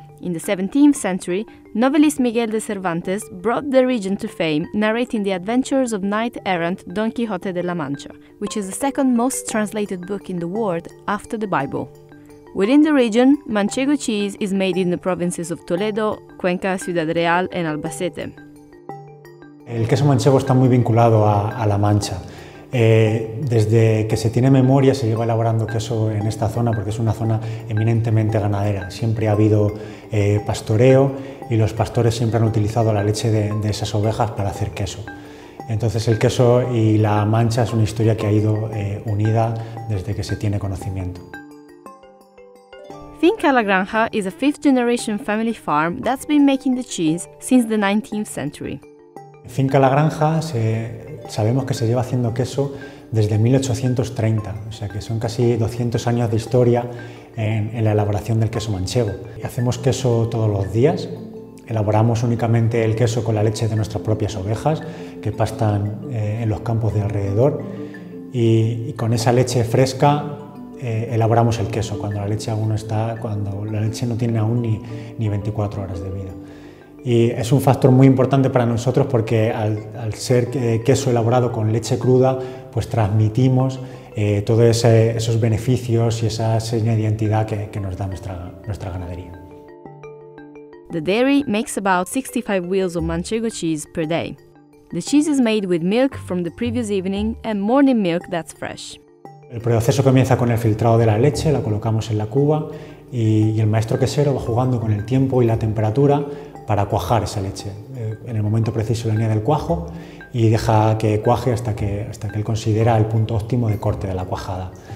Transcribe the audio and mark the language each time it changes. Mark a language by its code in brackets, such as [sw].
[en] In the 17th century, novelist Miguel de Cervantes brought the region to fame, narrating the adventures of knight-errant Don Quixote de la Mancha, which is the second most translated book in the world after the Bible. Within the region, Manchego cheese is made in the provinces of Toledo, Cuenca, Ciudad Real and Albacete. [es] El queso manchego está muy vinculado a la Mancha. Desde que se tiene memoria se lleva elaborando queso en esta zona porque es una zona eminentemente ganadera. Siempre ha habido pastoreo y los pastores siempre han utilizado la leche de esas ovejas para hacer queso. Entonces el queso y la Mancha es una historia que ha ido unida desde que se tiene conocimiento. [en] Finca La Granja is a fifth generation family farm that's been making the cheese since the 19th century. [es] Finca La Granja, sabemos que se lleva haciendo queso desde 1830, o sea que son casi 200 años de historia en la elaboración del queso manchego. Y hacemos queso todos los días, elaboramos únicamente el queso con la leche de nuestras propias ovejas que pastan en los campos de alrededor y con esa leche fresca elaboramos el queso cuando la leche no tiene aún ni 24 horas de vida. Y es un factor muy importante para nosotros porque al ser queso elaborado con leche cruda, pues transmitimos todos esos beneficios y esa seña de identidad que nos da nuestra ganadería. [en] The dairy makes about 65 wheels of manchego cheese per day. The cheese is made with milk from the previous evening and morning milk that's fresh. [es] El proceso comienza con el filtrado de la leche, la colocamos en la cuba y el maestro quesero va jugando con el tiempo y la temperatura para cuajar esa leche. En el momento preciso le añade el cuajo y deja que cuaje hasta que él considera el punto óptimo de corte de la cuajada.